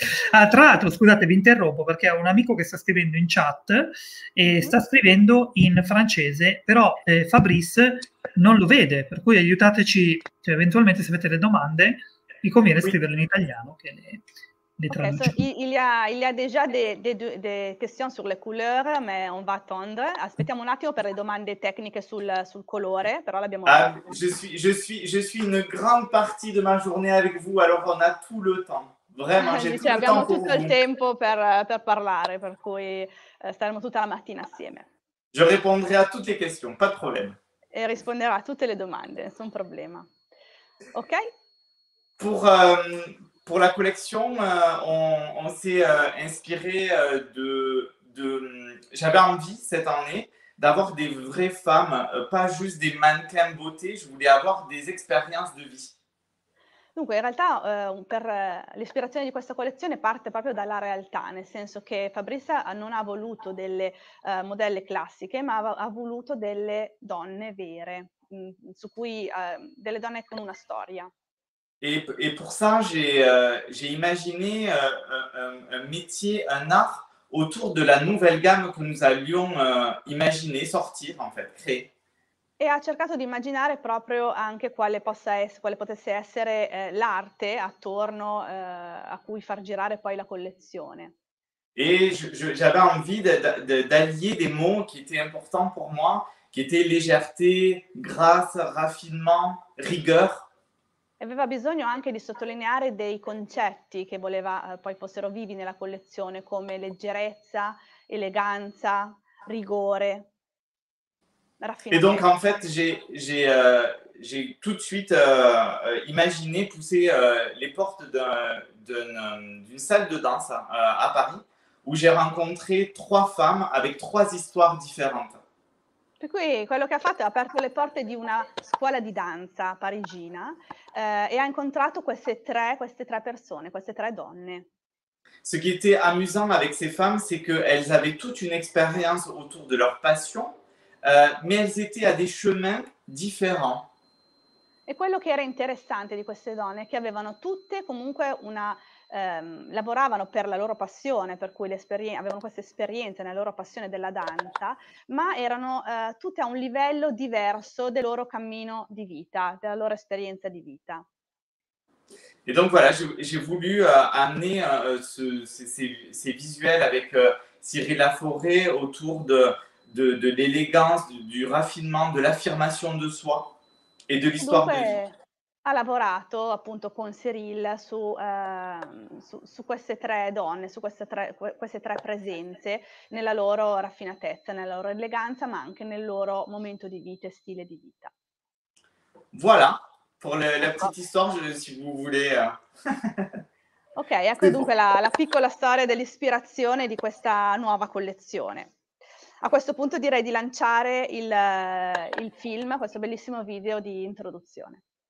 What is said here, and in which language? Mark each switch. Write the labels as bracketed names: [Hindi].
[Italian] Ah, tra l'altro, scusate, vi interrompo perché ho un amico che sta scrivendo in chat e sta scrivendo in francese, però Fabrice non lo vede, per cui aiutateci, cioè, eventualmente se avete delle domande. Mi conviene scriverlo in italiano che le traduce. [French] Okay, so il y a déjà des questions sur les couleurs, mais on va attendre. [Italian] Aspettiamo un attimo per le domande tecniche sul colore, però l'abbiamo. [French] Je suis une grande partie de ma journée avec vous, alors on a tout le temps. Vraiment, j'ai tout le [Italian] abbiamo [French] temps [Italian] tutto il tempo per parlare, per cui staremo tutta la mattina assieme. [French] Je répondrai à toutes les questions, pas de problème. [Italian] E risponderò a tutte le domande, nessun problema. Ok? [French] Pour la collection, on s'est inspiré de j'avais envie cette année d'avoir des vraies femmes, pas juste des mannequins beauté, je voulais avoir des expériences de vie. [Italian] Dunque, in realtà, per l'ispirazione di questa collezione parte proprio dalla realtà, nel senso che Fabrice non ha voluto delle modelle classiche, ma ha voluto delle donne vere, su cui delle donne con una storia. [French] Et pour ça, j'ai imaginé un métier, un art autour de la nouvelle gamme que nous allions imaginer, sortir, en fait, créer. [Italian] E ha cercato di immaginare proprio anche quale potesse essere l'arte attorno a cui far girare poi la collezione. [French] Et j'avais envie d'allier des mots qui étaient importants pour moi, qui étaient légèreté, grâce, raffinement, rigueur. [Italian] Aveva bisogno anche di sottolineare dei concetti che voleva poi fossero vivi nella collezione, come leggerezza, eleganza, rigore, [French] Et donc, [Italian] raffinatezza. [French] en fait, j'ai tout de suite imaginé pousser les portes d'une salle de danse à Paris, où j'ai rencontré trois femmes avec trois histoires différentes. [Italian] Per cui quello che ha fatto è aperto le porte di una scuola di danza parigina, e ha incontrato queste tre persone, queste tre donne. [French] Ce qui était amusant avec ces femmes, c'est qu'elles avaient toute une expérience autour de leur passion. Mais elles étaient à des chemins différents. [Italian] E quello che era interessante di queste donne è che avevano tutte comunque lavoravano per la loro passione, per cui avevano questa esperienza nella loro passione della danza, ma erano tutte a un livello diverso del loro cammino di vita, della loro esperienza di vita. [French] Et donc voilà, j'ai voulu amener ces visuels avec Cyril Laforêt autour de l'élégance, du raffinement, de l'affirmation de soi et de l'histoire de vie. [Italian] Dunque, ha lavorato appunto con Cyril su queste tre donne, su queste tre presenze, nella loro raffinatezza, nella loro eleganza, ma anche nel loro momento di vita e stile di vita. Ecco. [French] Voilà, pour la petite histoire, si vous voulez. [Italian] Ok, ecco dunque la piccola storia dell'ispirazione di questa nuova collezione. A questo punto direi di lanciare il film, questo bellissimo video di introduzione.